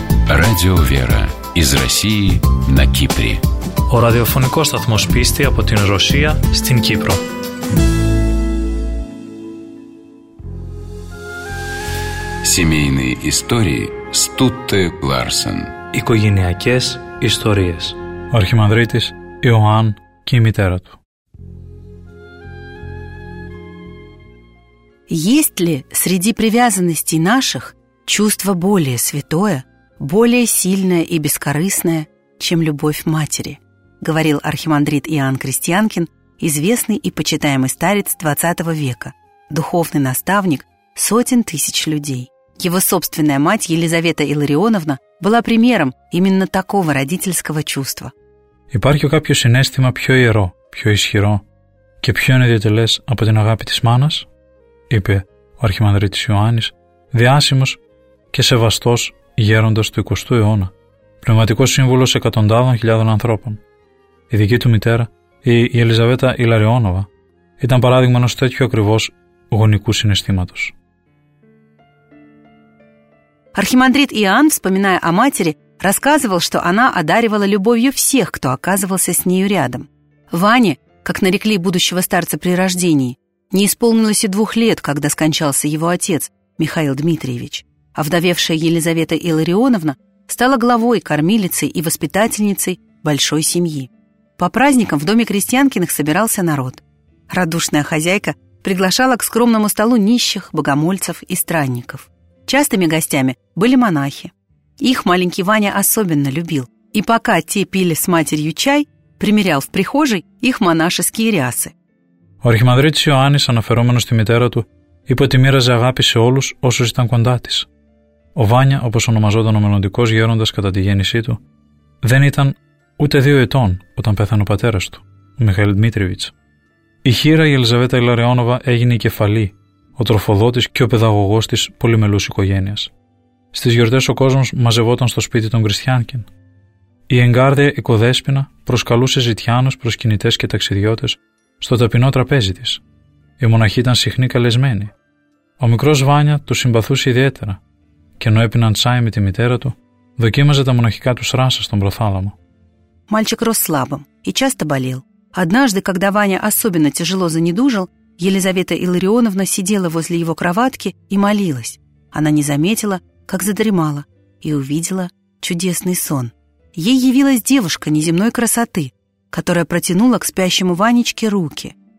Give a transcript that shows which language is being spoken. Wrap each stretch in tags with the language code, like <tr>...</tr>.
<ru>Радио «Вера» из России на Кипре.</ru> <el>О радиофонико сатмос писти από την Ρωσία στην Κύπρο.</el> <ru>Семейные истории Стутте Ларсен.</ru> <el>Οικογενειακές ιστορίες. Ο αρχιμανδρίτης Ιωάν και η μητέρα του.</el> <ru>Есть ли среди привязанностей наших чувство более святое, более сильное и бескорыстное, чем любовь матери? Говорил архимандрит Иоанн Крестьянкин, известный и почитаемый старец XX века, духовный наставник сотен тысяч людей. Его собственная мать Елизавета Илларионовна была примером именно такого родительского чувства.</ru> <el>Υπάρχει κάποιο συνέστημα πιο ιερό, πιο ισχυρό και πιο ιδιαιτελές από την αγάπη της μάνας? Είπε ο αρχιμανδρίτης Ιωάννης, διάσημος και σεβαστός γέροντας του 20ου αιώνα, πνευματικός σύμβουλος εκατοντάδων χιλιάδων ανθρώπων. Η δική του μητέρα, η Ελιζαβέτα Ιλαριόνοβα, ήταν παράδειγμα ενός τέτοιου ακριβώς γονικού συναισθήματος.</el> <ru>Αρχιμανδρίτ Ιωάνν, вспоминая о матери, рассказывал, что она одаривала любовью всех, кто оказывался с нею рядом. Ване, как нарекли будущего старца при рождении, не исполнилось и 2 лет, когда скончался его отец, Михаил Дмитриевич. Овдовевшая Елизавета Илларионовна стала главой, кормилицей и воспитательницей большой семьи. По праздникам в доме Крестьянкиных собирался народ. Радушная хозяйка приглашала к скромному столу нищих, богомольцев и странников. Частыми гостями были монахи. Их маленький Ваня особенно любил. И пока те пили с матерью чай, примерял в прихожей их монашеские рясы.</ru> <el>Ο αρχιμανδρίτης Ιωάννης, αναφερόμενος στη μητέρα του, είπε ότι μοίραζε αγάπη σε όλους όσους ήταν κοντά της. Ο Βάνια, όπως ονομαζόταν ο μελλοντικός γέροντας κατά τη γέννησή του, δεν ήταν ούτε 2 ετών όταν πέθανε ο πατέρας του, ο Μιχαήλ Δημήτριβιτς. Η χείρα η Ελιζαβέτα Ιλαριόνοβα έγινε η κεφαλή, ο τροφοδότης και ο παιδαγωγός της πολυμελούς οικογένειας. Στις γιορτές ο κόσμος μαζευόταν στο σπίτι των Κριστιάνκιν. Η εγκάρδια οικοδέσποινα προσκαλούσε ζητιάνους, προσκυνητές και ταξιδιώτες στο ταπεινό τραπέζι της. Οι μοναχοί ήταν συχνή καλεσμένοι. Ο μικρός Βάνια του συμπαθούσε ιδιαίτερα και ενώ έπιναν τσάι με τη μητέρα του, δοκίμαζε τα μοναχικά του ράσα στον προθάλαμο.</el> <ru>Мальчик рос слабым и часто болел. Однажды, когда Ваня особенно тяжело занедужил, Елизавета Илларионовна сидела возле его кроватки и молилась. Она не заметила, как задремала, и увидела чудесный сон. Ей явилась девушка неземной красоты, которая протянула к спящему Ванечке руки.</ru>